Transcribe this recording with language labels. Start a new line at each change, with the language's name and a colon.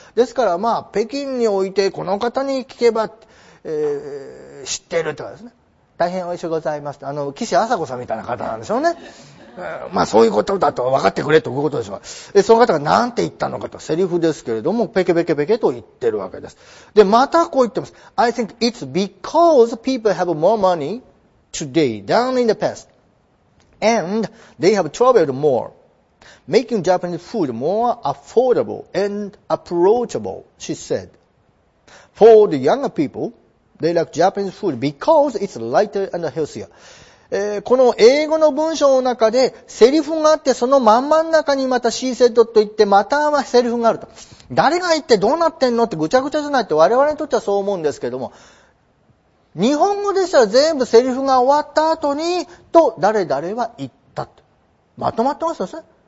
Japanese: ですからまあ北京においてこの方に聞けば、知ってるとかですね、大変おいしゅうございます、あの岸朝子さんみたいな方なんでしょうね、まあそういうことだと分かってくれということでしょう。でその方が何て言ったのかとセリフですけれども、ペケペケペケと言ってるわけです。でまたこう言ってます。
English: I think it's because people have more money today than in the past and they have traveled more making Japanese food more affordable and approachable, she said. For the younger people, they like Japanese food because it's lighter and healthier.
Japanese: この英語の文章の中でセリフがあって、そのまんまん中にまた C セットと言ってまたはセリフがあると、誰が言ってどうなってんのってぐちゃぐちゃじゃないって我々にとってはそう思うんですけども、日本語でしたら全部セリフが終わった後にと誰々は言ったとまとまってますよね。